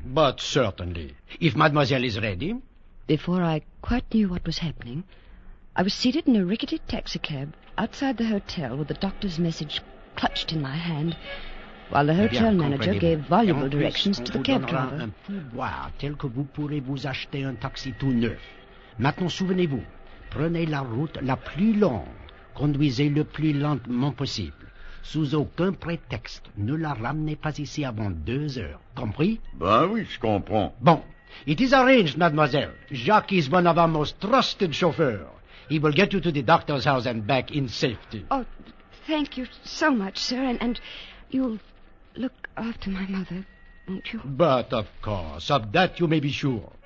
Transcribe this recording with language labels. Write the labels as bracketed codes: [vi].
[en] But certainly, if mademoiselle is ready. Before I quite knew what was happening, I was seated in a rickety taxicab outside the hotel with the doctor's message clutched in my hand, while the hotel manager gave voluble directions to the cab driver. [fr] Un pourboire tel que vous pourrez vous acheter un taxi tout neuf. Maintenant, souvenez-vous, prenez la route la plus longue. Conduisez le plus lentement possible. Sous aucun prétexte, ne la ramenez pas ici avant 2 heures. Compris? Ben oui, je comprends. [en] Bon, it is arranged, mademoiselle. Jacques is one of our most trusted chauffeurs. He will get you to the doctor's house and back in safety. Oh, thank you so much, sir. And you'll look after my mother, won't you? But of course, of that you may be sure.